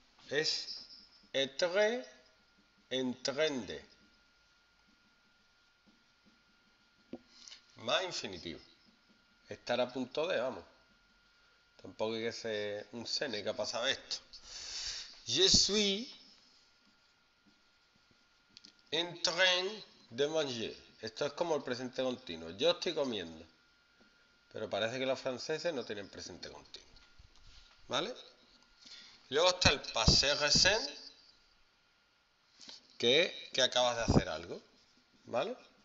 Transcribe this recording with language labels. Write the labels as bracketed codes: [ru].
[fr] Es être en train de. [es] Más infinitivo. Estar a punto de, vamos. Tampoco hay que ser un Seneca para saber esto. [fr] Je suis en train de manger. [es] Esto es como el presente continuo. Yo estoy comiendo. Pero parece que los franceses no tienen presente continuo. ¿Vale? Luego está el passé recent, que es que acabas de hacer algo. ¿Vale?